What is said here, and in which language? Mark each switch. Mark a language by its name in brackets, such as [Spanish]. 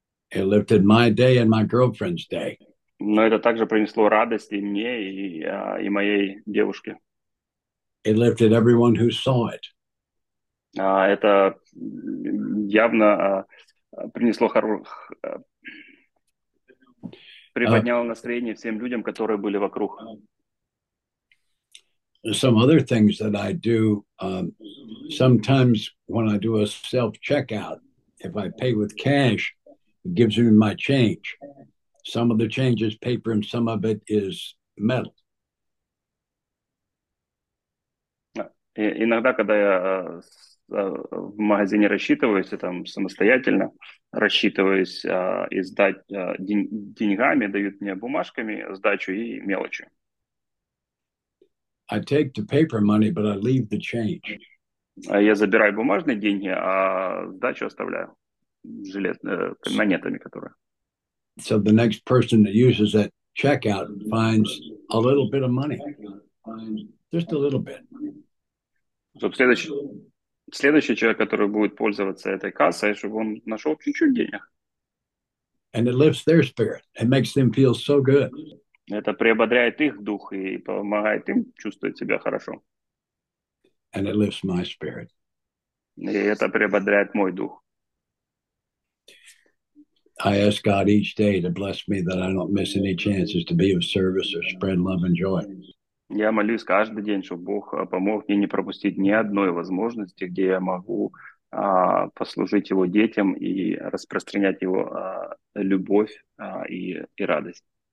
[English] It lifted my day and my girlfriend's day. [Russian] Но это также принесло радость и мне, и моей девушке. [English] It lifted everyone who saw it. [Russian] Это явно принесло приподняло настроение всем людям, которые были вокруг. [English] Some other things that I do, sometimes when I do a self-checkout, if I pay with cash, it gives me my change. Some of the change is paper and some of it is metal. [Russian] Иногда, когда я в магазине рассчитываюсь, я там самостоятельно рассчитываюсь и сдать деньгами, дают мне бумажками сдачу и мелочи. [English] I take the paper money, but I leave the change. [Russian] Я забираю бумажные деньги, а сдачу оставляю монетами, которые. [English] So the next person that uses that checkout finds a little bit of money. Just a little bit. [Russian] Следующий человек, который будет пользоваться этой кассой, чтобы он нашел чуть-чуть денег. [English] And it lifts their spirit. It makes them feel so good. [Russian] Это приободряет их дух и помогает им чувствовать себя хорошо. [English] And it lifts my spirit. [Russian] И это приободряет мой дух. [English] I ask God each day to bless me that I don't miss any chances to be of service or spread love and joy. [Russian] Я молюсь каждый день, чтобы Бог помог мне не пропустить ни одной возможности, где я могу послужить Его детям и распространять Его любовь и радость.